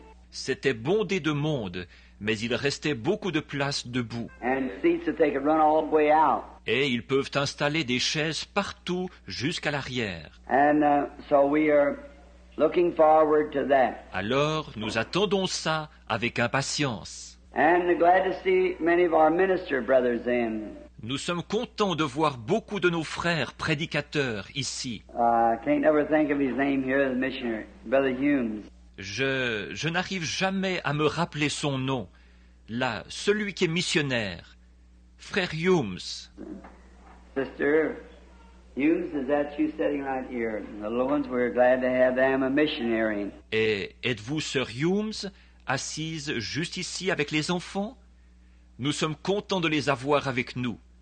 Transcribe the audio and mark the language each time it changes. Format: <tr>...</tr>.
<fr>C'était bondé de monde, mais il restait beaucoup de place debout.</fr> <en>And seats that they could run all the way out.</en> <fr>Et ils peuvent installer des chaises partout jusqu'à l'arrière.</fr> <en>And, so we are looking forward to that.</en> <fr>Alors, nous attendons ça avec impatience.</fr> <en>And glad to see many of our minister brothers in.</en> <fr>Nous sommes contents de voir beaucoup de nos frères prédicateurs ici.</fr> <en>Can't ever think of his name here, the missionary, Brother Humes.</en> <fr>Je n'arrive jamais à me rappeler son nom. Là, celui qui est missionnaire. Frère Humes.</fr> <en>Sister Humes, is that you sitting right here? The little ones, we're glad to have them a missionary.</en> <fr>Et êtes-vous Sœur Humes, assise juste ici avec les enfants? Nous sommes contents de les avoir avec nous.</fr>